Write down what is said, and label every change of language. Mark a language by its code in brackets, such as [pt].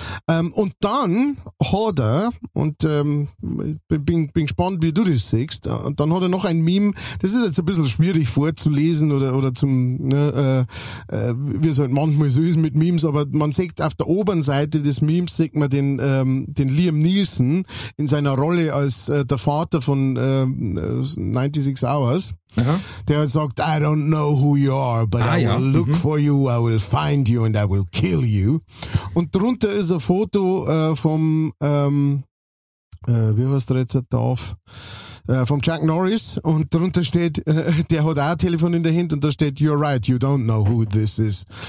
[de] Und dann hat er, und bin gespannt, wie du das siehst, und dann hat er noch ein Meme, das ist jetzt ein bisschen schwierig vorzulesen oder zum, wie es halt manchmal so ist mit Memes, aber man sieht auf der oberen Seite des Memes, sieht man den Liam Neeson in seiner Rolle als der Vater von 96 Hours. Aha. Der sagt, [en] I don't know who you are, but I will look for you, I will find you and I will kill you. [de] Und drunter ist ein Foto vom, wie heißt der jetzt drauf? Vom Chuck Norris. Und drunter steht, der hat auch ein Telefon in der Hand und da steht, [en] you're right, you don't know who this is.